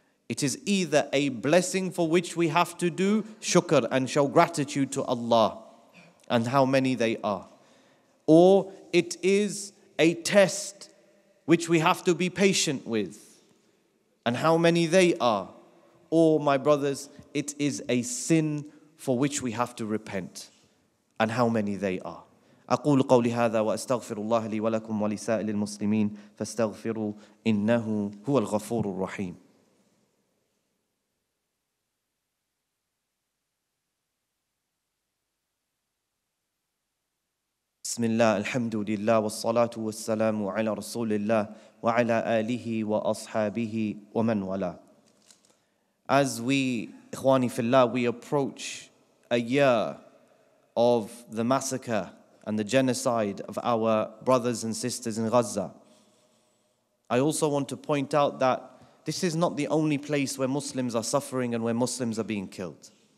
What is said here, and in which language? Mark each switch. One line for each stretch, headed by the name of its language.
English: It is either a blessing for which we have to do shukr and show gratitude to Allah and how many they are. Or it is a test which we have to be patient with and how many they are. Or, my brothers, it is a sin for which we have to repent and how many they are.
Arabic: أقول قولي هذا وأستغفر الله لي ولكم ولسائر المسلمين فاستغفروا إنه هو الغفور الرحيم. بسم الله الحمد لله والصلاة والسلام على رسول الله وعلى آله وأصحابه ومن والاه.
English: As we,
Arabic: إخواني في الله,
English: we approach a year of the massacre and the genocide of our brothers and sisters in Gaza. I also want to point out that this is not the only place where Muslims are suffering and where Muslims are being killed.